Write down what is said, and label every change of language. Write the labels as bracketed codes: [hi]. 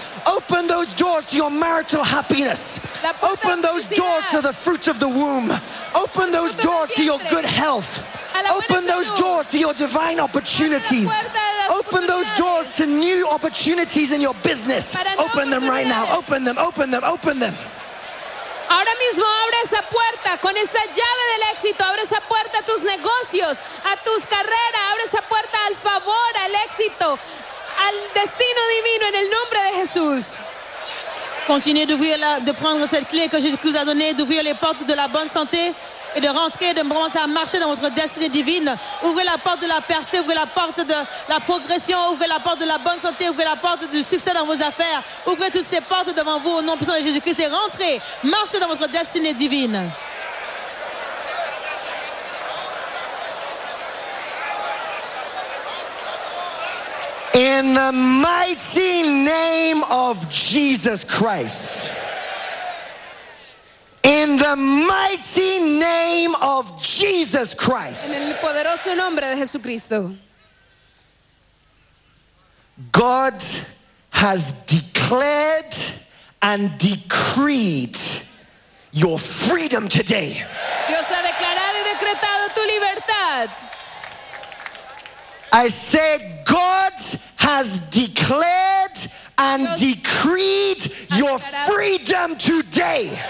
[en] Open those doors to your marital happiness. Open those doors to the fruits of the womb. Open those doors to your good health. Open those doors to your divine opportunities. Open those doors to new opportunities in your business. Open them right now. Open them, open them, open them. [es] Ahora mismo abre esa puerta con esa llave del éxito. Abre esa puerta a tus negocios, a tus carreras. Abre esa puerta al favor, al éxito, al destino divino en el nombre de Jesús. [fr] Continuez d'ouvrir la, de prendre cette clé que Jésus vous a donnée, d'ouvrir les portes de la bonne santé et de rentrer, de commencer à marcher dans votre destinée divine. Ouvrez la porte de la percée, ouvrez la porte de la progression, ouvrez la porte de la bonne santé, ouvrez la porte du succès dans vos affaires. Ouvrez toutes ces portes devant vous au nom puissant de Jésus-Christ et rentrez, marchez dans votre destinée divine. [en] In the mighty name of Jesus Christ. In the mighty name of Jesus Christ. [es] En el poderoso nombre de Jesucristo. [en] God has declared and decreed your freedom today. [es] Dios ha declarado y decretado tu libertad. [en] I say God has declared and decreed your freedom today.